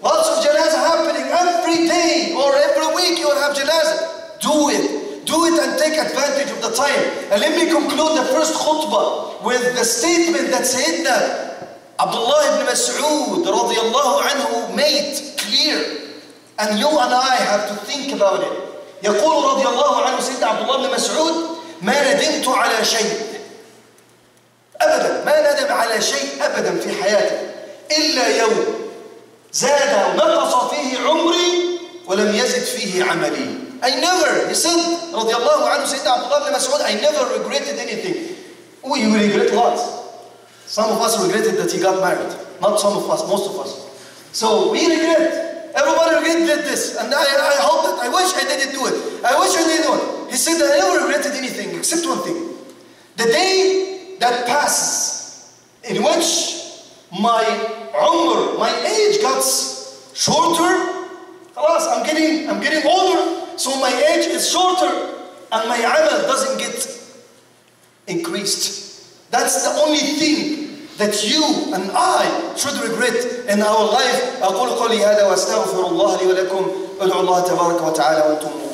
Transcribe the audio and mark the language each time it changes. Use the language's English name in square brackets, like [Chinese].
[English] Lots of janaza happening every day or every week you will have janaza. Do it. Do it and take advantage of the time. And let me conclude the first khutbah with the statement that Sayyidina Abdullah ibn Mas'ud radiallahu anhu made clear. And you and I have to think about it. [Arabic] يقول radiallahu anhu Sayyidina Abdullah ibn Mas'ud ما ندمت على شيء أبداً ما ندم على شيء أبداً في حياته إلا يوم زاد نقص فيه عمري ولم يزد فيه عملي. [English] I never, he said, رضي الله عنه سيدنا عبد الله بن مسعود, I never regretted anything. Oh, you regret lots. Some of us regretted that he got married. Not some of us, most of us. So we regret. Everybody regretted this. And I hope that, I wish I didn't do it. I wish I didn't do it. He said, I never regretted anything except one thing. The day that passes, in which my umr, my age got shorter. Alas, I'm getting older, so my age is shorter, and my amal doesn't get increased. That's the only thing that you and I should regret in our life. [Arabic] أقول قولي هذا واستغفر الله لي ولكم أدعو الله تبارك وتعالى وأنتم